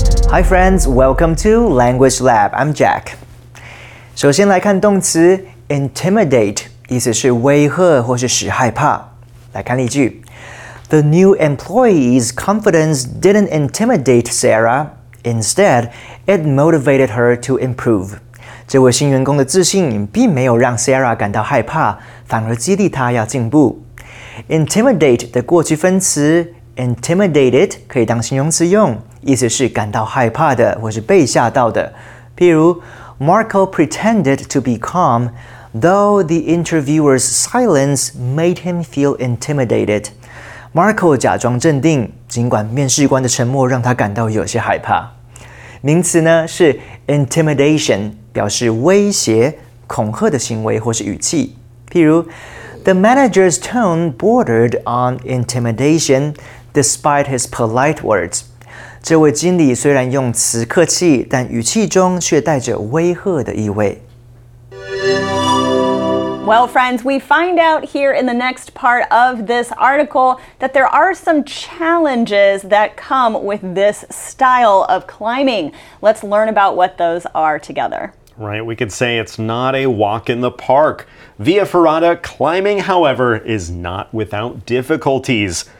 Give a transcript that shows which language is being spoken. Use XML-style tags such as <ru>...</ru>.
<en>Hi friends, welcome to Language Lab, I'm Jack.</en> <zh>首先来看动词 intimidate， 意思是威吓或是使害怕。来看例句</zh> <en>：The new employee's confidence didn't intimidate Sarah. Instead, it motivated her to improve.</en> <zh>这位新员工的自信并没有让 Sarah 感到害怕，反而激励她要进步。 Intimidate 的过去分词 intimidated 可以当形容词用，意思是感到害怕的或是被吓到的。譬如</zh> <en>Marco pretended to be calm, though the interviewer's silence made him feel intimidated.</en> <zh>Marco 假装镇定，尽管面试官的沉默让他感到有些害怕。名词呢是 intimidation， 表示威胁、恐吓的行为或是语气。譬如</zh> <en>，The manager's tone bordered on intimidation, despite his polite words.</en> <zh>这位经理虽然用词客气，但语气中却带着威吓的意味。</zh> <en>Well, friends, we find out here in the next part of this article that there are some challenges that come with this style of climbing. Let's learn about what those are together. Right, we could say it's not a walk in the park. Via Ferrata climbing, however, is not without difficulties.</en>